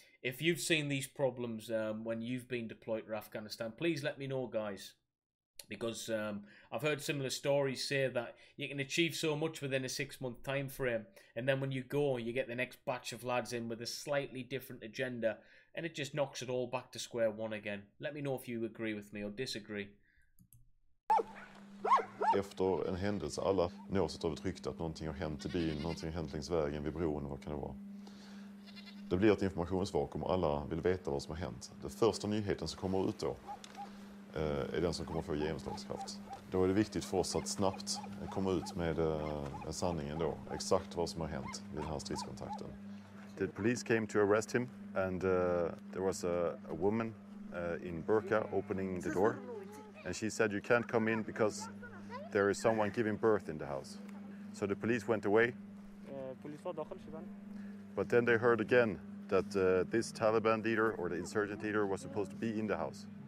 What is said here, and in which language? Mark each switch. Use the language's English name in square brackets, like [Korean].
[English] If you've seen these problems when you've been deployed to Afghanistan, please let me know, guys, because I've heard similar stories say that you can achieve so much within a 6 month time frame, and then when you go you get the next batch of lads in with a slightly different agenda and it just knocks it all back to square one again. Let me know if you agree with me or disagree. [Swedish] Efter en händelse, alla nås av ett rykte att någonting har hänt i byn, någonting har hänt längs vägen, vid bron, vad kan det vara? Det blir ett informationsvakuum och alla vill veta vad som har hänt. Den första nyheten som kommer ut då är den som kommer få genomslagskraft. Då är det viktigt för oss att snabbt komma ut med sanningen då, exakt vad som har hänt vid den här stridskontakten. [English] The police came to arrest him and there was a woman in burqa opening the door and she said you can't come in because there is someone giving birth in the house. So the police went away. Police var داخل شدن. But then they heard again that this Taliban leader or the insurgent leader was supposed to be in the house.